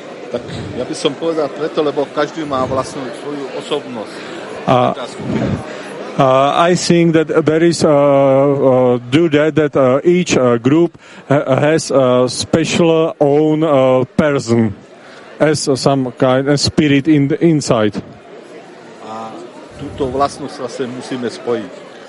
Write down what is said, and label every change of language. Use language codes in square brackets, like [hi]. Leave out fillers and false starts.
[sk] Tak já bych som povedal preto, lebo každý má vlastnú svoju osobnosť. [en] I think that there is each group has a special own person, as some kind of spirit in the inside. [sk] Tuto vlastnosť zase musíme spojiť.